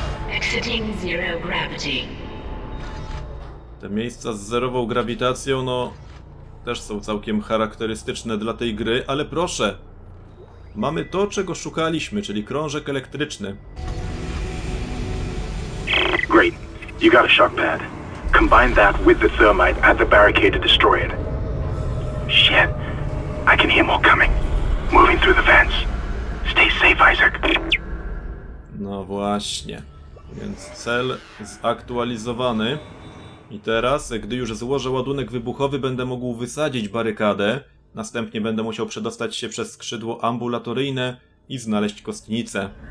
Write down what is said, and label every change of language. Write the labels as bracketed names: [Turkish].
[English] Exiting zero gravity. [Polish] Te miejsca z zerową grawitacją, no... też są całkiem charakterystyczne dla tej gry, ale proszę! Mamy to, czego szukaliśmy, czyli krążek elektryczny. [English] Great. You got a shock pad. Combine that with the thermite at the barricade to destroy it. Shit. I can hear more coming. Moving through the vents. Stay safe, Isaac. [Polish] No właśnie. Więc cel zaktualizowany. I teraz, gdy już złożę ładunek wybuchowy, będę mógł wysadzić barykadę. Następnie będę musiał przedostać się przez skrzydło ambulatoryjne i znaleźć kostnicę.